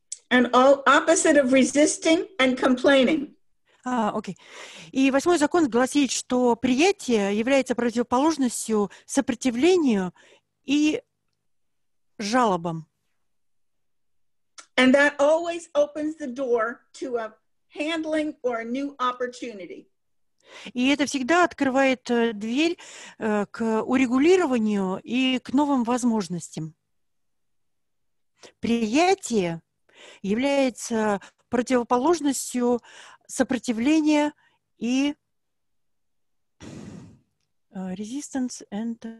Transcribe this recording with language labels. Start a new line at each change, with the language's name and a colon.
English: And opposite of resisting and complaining.
Russian: Окей. И восьмой закон гласит, что приятие является противоположностью сопротивлению и жалобам.
English: And that always opens the door to a handling or a new opportunity.
Russian: И это всегда открывает дверь к урегулированию и к новым возможностям. Приятие является противоположностью сопротивление и
English: resistance and